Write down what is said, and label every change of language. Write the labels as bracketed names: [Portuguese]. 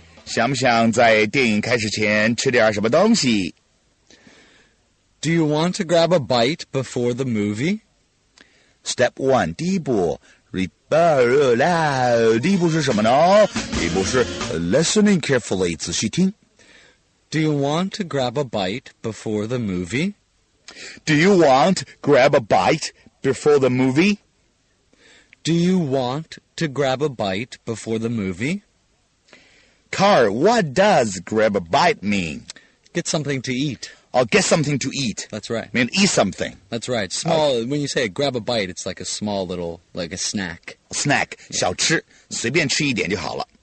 [Chinese] 想不想在电影开始前吃点什么东西? [English] Do you want to grab a bite before the movie? Step 1. [Chinese] 第一步第一步是什么呢？第一步是 [English] listening carefully, [Chinese] 仔细听。 [English] Do you want to grab a bite before the movie? Do you want to grab a bite before the movie? Do you want to grab a bite before the movie? Car, what does grab a bite mean? Get something to eat. Oh, get something to eat. That's right. I mean, eat something. That's right. Small,、okay. when you say grab a bite, it's like a small little, like a snack. Snack,、yeah. [Chinese] 小吃,随便吃一点就好了。